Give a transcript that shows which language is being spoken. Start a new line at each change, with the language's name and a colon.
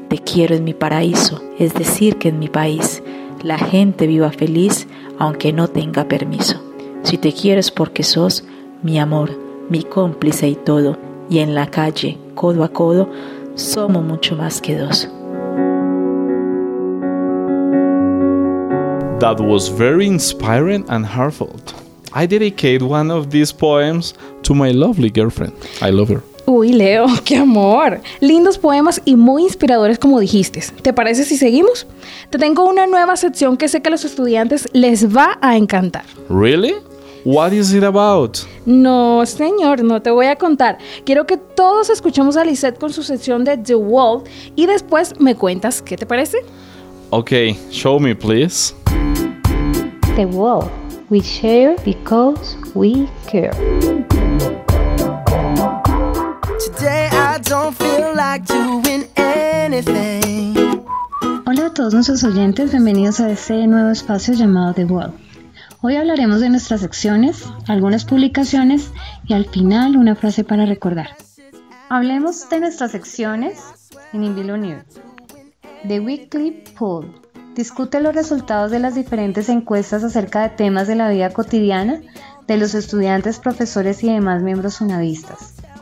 Spanish: Te quiero en mi paraíso, es decir, que en mi país, la gente viva feliz, aunque no tenga permiso. Si te quieres porque sos mi amor, mi cómplice y todo, y en la calle, codo a codo, somos mucho más que dos.
English: That was very inspiring and heartfelt. I dedicate one of these poems to my lovely girlfriend. I love her.
Spanish: Uy, Leo, qué amor. Lindos poemas y muy inspiradores, como dijiste. ¿Te parece si seguimos? Te tengo una nueva sección que sé que a los estudiantes les va a encantar.
English: ¿Really? What is it about?
Spanish: No, señor, no te voy a contar. Quiero que todos escuchemos a Lisette con su sección de The World y después me cuentas qué te parece.
English: Okay, show me, please. The World. We share because we care. Today I don't feel like doing anything.
Spanish: Hola a todos nuestros oyentes, bienvenidos a este nuevo espacio llamado The World. Hoy hablaremos de nuestras secciones, algunas publicaciones y al final una frase para recordar. Hablemos de nuestras secciones en Invilo News. The Weekly Poll discute los resultados de las diferentes encuestas acerca de temas de la vida cotidiana de los estudiantes, profesores y demás miembros unavistas.